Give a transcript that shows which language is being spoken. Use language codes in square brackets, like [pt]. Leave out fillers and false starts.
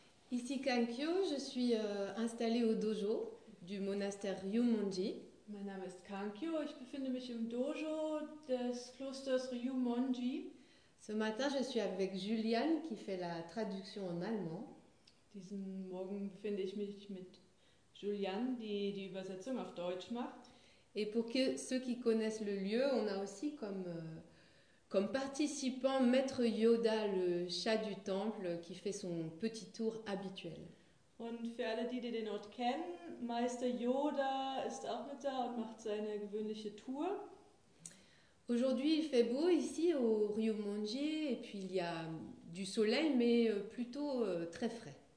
[fr] Ici Kankyo, je suis installée au dojo du monastère Ryumonji. [de] Mein Name ist Kankyo, ich befinde mich im Dojo des Klosters Ryumonji. [fr] Ce matin, je suis avec Juliane qui fait la traduction en allemand. [de] Diesen Morgen befinde ich mich mit Juliane, die die Übersetzung auf Deutsch macht. [fr] Et pour que ceux qui connaissent le lieu, on a aussi comme comme participant Maître Yoda, le chat du temple, qui fait son petit tour habituel. [de] Und für alle die den Ort kennen, Meister Yoda ist auch mit da und macht seine gewöhnliche Tour. [fr] Aujourd'hui, il fait beau ici au Ryumonji et puis il y a du soleil mais plutôt très frais.